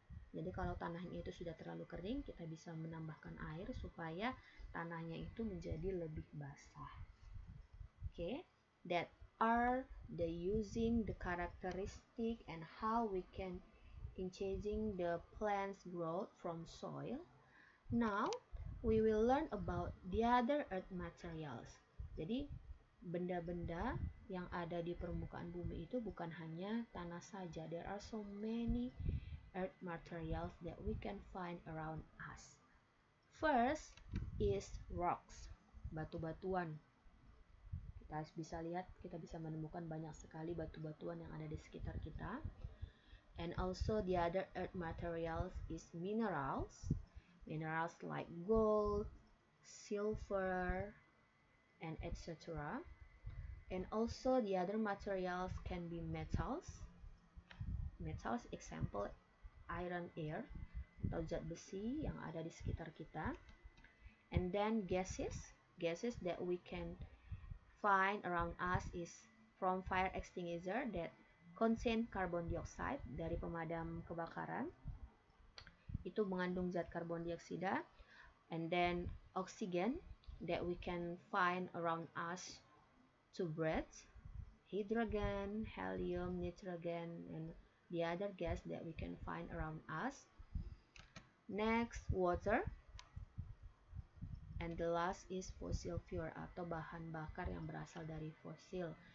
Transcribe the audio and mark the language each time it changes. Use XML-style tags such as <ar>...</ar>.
<id>Jadi kalau tanahnya itu sudah terlalu kering, kita bisa menambahkan air supaya tanahnya itu menjadi lebih basah.</id> <en>Okay, that are the using the characteristic and how we can in changing the plants growth from soil. Now, we will learn about the other earth materials.</en> <id>Jadi, benda-benda yang ada di permukaan bumi itu bukan hanya tanah saja.</id> <en>There are so many earth materials that we can find around us. First is rocks,</en> <id>batu-batuan. Kita bisa lihat, kita bisa menemukan banyak sekali batu-batuan yang ada di sekitar kita.</id> <en>And also the other earth materials is minerals. Minerals like gold, silver, and etc. And also the other materials can be metals. Metals, example, iron ore</en> <id>atau zat besi yang ada di sekitar kita.</id> <en>And then gases. Gases that we can find around us is from fire extinguisher that contain carbon dioxide</en> <id>dari pemadam kebakaran. Itu mengandung zat karbon dioksida.</id> <en>And then oxygen that we can find around us to breathe. Hydrogen, helium, nitrogen, and the other gas that we can find around us. Next, water. And the last is fossil fuel</en> <id>atau bahan bakar yang berasal dari fosil.</id>